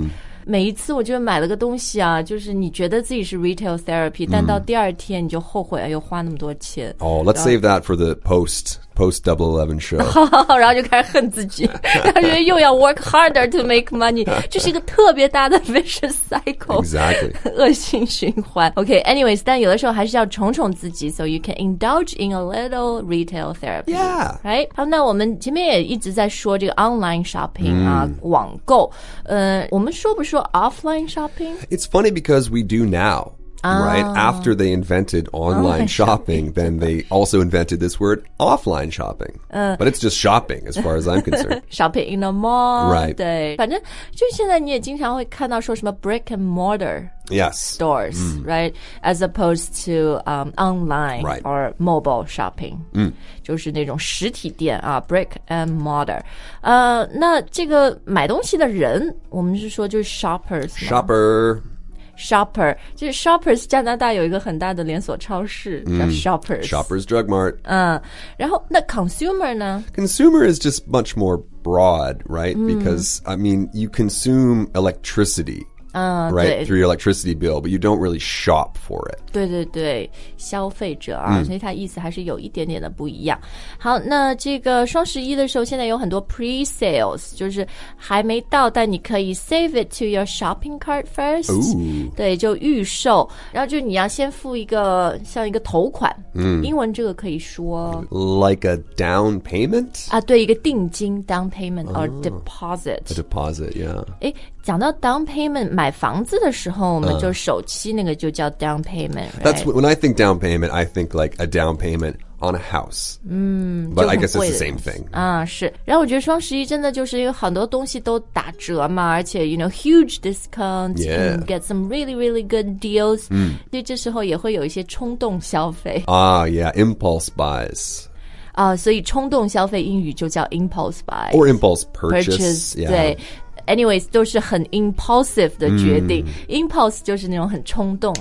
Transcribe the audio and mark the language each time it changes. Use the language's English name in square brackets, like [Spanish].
[Chinese] mm. 每一次我就买了个东西啊就是你觉得自己是 retail therapy 但到第二天你就后悔、mm. 哎呦花那么多钱 [English] Oh, let's save that for the post Double Eleven show [Chinese] 然后就开始恨自己感觉又要 [English] work harder to make money [Chinese] 这是一个特别大的 vicious cycle [English] Exactly [Chinese] 恶性循环 [English] OK, anyways [Chinese] 但有的时候还是要宠宠自己 [English] So you can indulge in a little retail therapy Yeah Right [Chinese] 好那我们前面也一直在说这个 online shopping、mm. 啊网购我们说不说 offline shopping? [English] It's funny because we do nowRight, after they invented online shopping, then they also invented this word offline shopping. But it's just shopping, as far as I'm concerned. Shopping in a mall. Right. [Chinese] 对。反正就现在你也经常会看到说什么 brick and mortar. [English] Yes. Stores, [Chinese] mm. [English] right? As opposed to online right. or mobile shopping. Mm. [Chinese] 就是那种实体店啊 brick and mortar. 那这个买东西的人,我们是说就是 shoppers. [English] Shopper. shopper. [Chinese] 就是 shoppers, 加拿大有一个很大的连锁超市叫 shoppers. [English] Shoppers Drug Mart. [Chinese] 嗯，然后那 consumer 呢？ [English] Consumer is just much more broad, right? Because, I mean, you consume electricity. Right, through your electricity bill, but you don't really shop for it. [Chinese] 对对对，消费者啊，所以它意思还是有一点点的不一样。好，那这个双十一的时候，现在有很多 pre-sales, 就是还没到，但你可以 [English] save it to your shopping cart first. Ooh. [Chinese] 对，就预售，然后就你要先付一个像一个头款，英文这个可以说 [English] like a down payment? [Chinese] 啊，对，一个定金 down payment or deposit. [English] A deposit, yeah. [Chinese] 诶，讲到 down payment, 买房子的时候我们就首期那个就叫 down payment, [English] right? That's when I think down payment, I think like a down payment on a house. But I guess it's the same thing. [Chinese] 是。然后我觉得双十一真的就是因为很多东西都打折嘛，而且 [English] you know, huge discounts, yeah. and get some really, really good deals. [Chinese] 所以这时候也会有一些冲动消费。 [English] Yeah, impulse buys. [Chinese] 所以冲动消费英语就叫 impulse buys. [English] Or impulse purchase. Yeah. [Chinese] 对。 [English] Anyways, [Chinese] 都是很 impulsive 的决定、Impulse 就是那种很冲动